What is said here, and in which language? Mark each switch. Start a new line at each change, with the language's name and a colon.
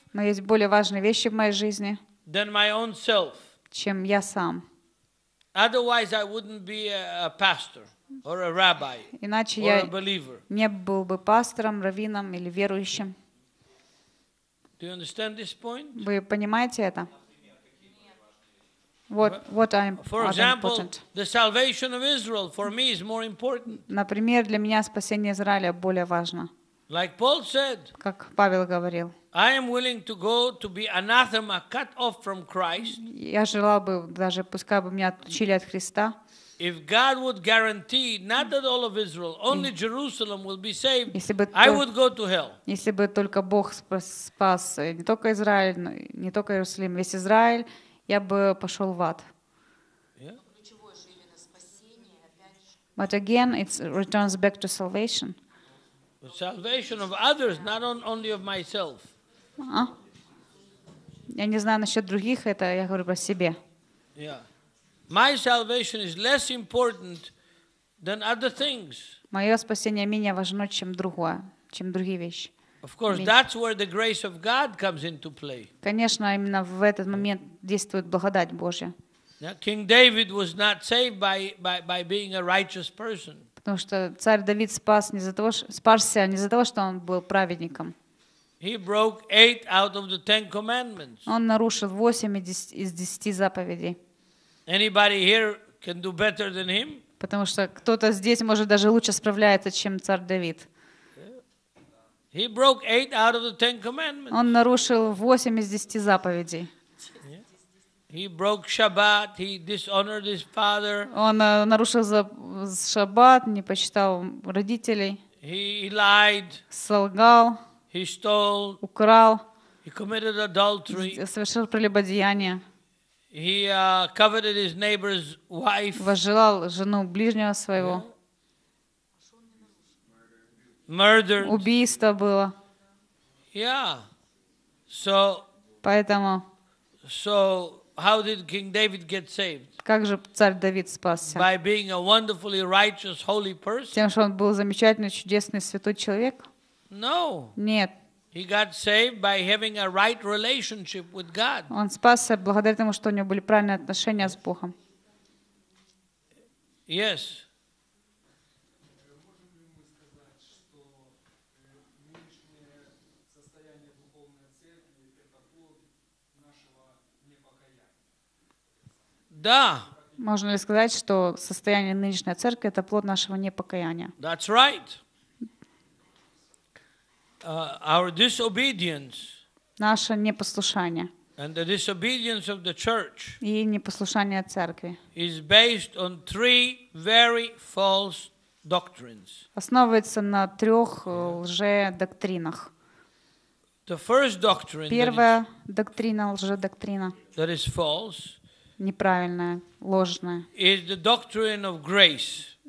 Russian: Но есть более важные вещи в моей жизни.
English: Than my own self.
Russian: Чем я сам.
English: Otherwise, I wouldn't be a pastor or a rabbi.
Russian: Иначе
English: or
Russian: я
English: a believer.
Russian: Не был бы пастором, раввином или верующим.
English: Do you understand this point?
Russian: Вы понимаете это?
English: What I'm for example, important. The salvation of Israel for me is more important.
Russian: Например, для меня спасение Израиля более важно.
English: Like Paul said,
Russian: как Павел говорил,
English: I am willing to go to be anathema, cut off from Christ.
Russian: Я желал бы даже, пускай бы меня отучили от Христа.
English: If God would guarantee not that all of Israel, only Jerusalem will be saved, I would go to hell.
Russian: Если бы только Бог спас не только Израиль, но не только Иерусалим, весь Израиль. Я бы пошел в ад.
English: But again, it returns back to salvation. But salvation of others, not only of myself.
Russian: Я не знаю насчет других, это я говорю про себе.
English: My salvation is less important than other things.
Russian: Мое спасение менее важно, чем другое, чем другие вещи.
English: Of course, that's where the grace of God comes into play.
Russian: Конечно, именно в этот момент действует благодать Божья.
English: King David was not saved by being a righteous person.
Russian: Потому что царь Давид спасся не за того, что он был праведником.
English: He broke 8 out of the 10 commandments.
Russian: Он нарушил 8 из 10 заповедей.
English: Anybody here can do better than him?
Russian: Потому что кто-то здесь может даже лучше справляется, чем царь Давид.
English: He broke 8 out of the 10 commandments.
Russian: Он нарушил 8 из 10 заповедей.
English: He broke Shabbat, he dishonored his father.
Russian: Он нарушил Шаббат, не почитал родителей.
English: He lied.
Russian: Солгал.
English: He stole.
Russian: Украл.
English: He committed adultery.
Russian: Совершил прелюбодеяние.
English: He coveted his neighbor's wife.
Russian: Возжелал жену ближнего своего.
English: Murdered.
Russian: Убийство было.
English: Yeah. So.
Russian: Поэтому.
English: So how did King David get saved?
Russian: Как же царь Давид спасся?
English: By being a wonderfully righteous, holy person.
Russian: Тем, что он был замечательный, чудесный, святой человек?
English: No.
Russian: Нет.
English: He got saved by having a right relationship with God.
Russian: Он спасся благодаря тому, что у него были правильные отношения с Богом.
English: Yes.
Russian: Да. Можно ли сказать, что состояние нынешней церкви это плод нашего непокаяния?
English: That's right. Our disobedience.
Russian: Наше непослушание.
English: And the disobedience of the church.
Russian: И непослушание церкви.
English: Is based on three very false doctrines.
Russian: Основывается на трех лжедоктринах.
English: The first doctrine.
Russian: Первая доктрина, лжедоктрина.
English: That is false.
Russian: Неправильное, ложное.
English: Is the doctrine of grace.